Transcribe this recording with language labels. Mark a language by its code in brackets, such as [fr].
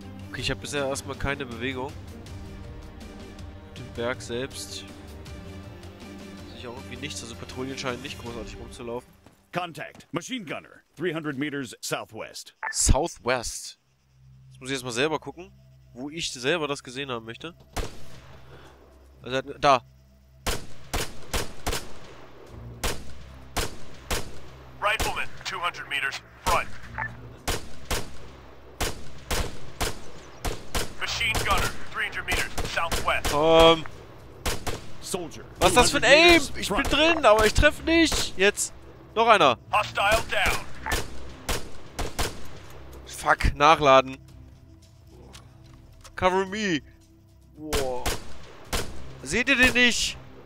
[de] Okay, ich habe bisher erstmal keine Bewegung. Den Berg selbst. Auch irgendwie nichts, also Patrouillen scheinen nicht großartig rumzulaufen. [en] Contact, Machine Gunner, 300 meters southwest. Southwest. [de] Jetzt muss ich erstmal selber gucken, wo ich selber das gesehen haben möchte. Also, da. [en] Rifleman, 200 meters front. Machine Gunner, 300 meters southwest. [de] Was ist das für ein Aim? Ich bin drin, aber ich treffe nicht. Jetzt. Noch einer. [en] Hostile down. [de] Fuck, nachladen. [en] Cover me. [de] Wow. Seht ihr den nicht?